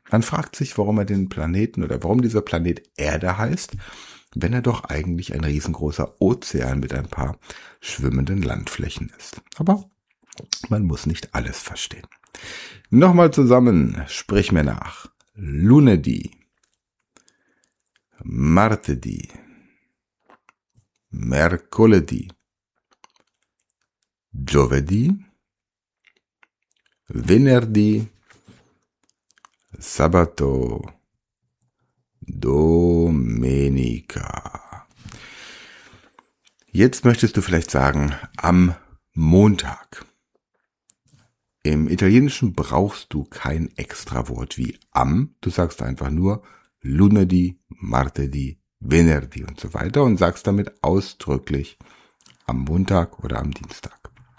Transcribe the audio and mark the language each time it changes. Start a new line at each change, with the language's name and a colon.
German: Man fragt sich, warum er den Planeten oder warum dieser Planet Erde heißt, wenn er doch eigentlich ein riesengroßer Ozean mit ein paar schwimmenden Landflächen ist. Aber man muss nicht alles verstehen. Nochmal zusammen, sprich mir nach.
Italian: Lunedì, Martedì, Mercoledì, Giovedì, Venerdì, Sabato, Domenica.
German: Jetzt möchtest du vielleicht sagen, am Montag. Im Italienischen brauchst du kein extra Wort wie am. Du sagst einfach nur
Italian: lunedì, martedì, venerdì
German: und so weiter und sagst damit ausdrücklich am Montag oder am Dienstag.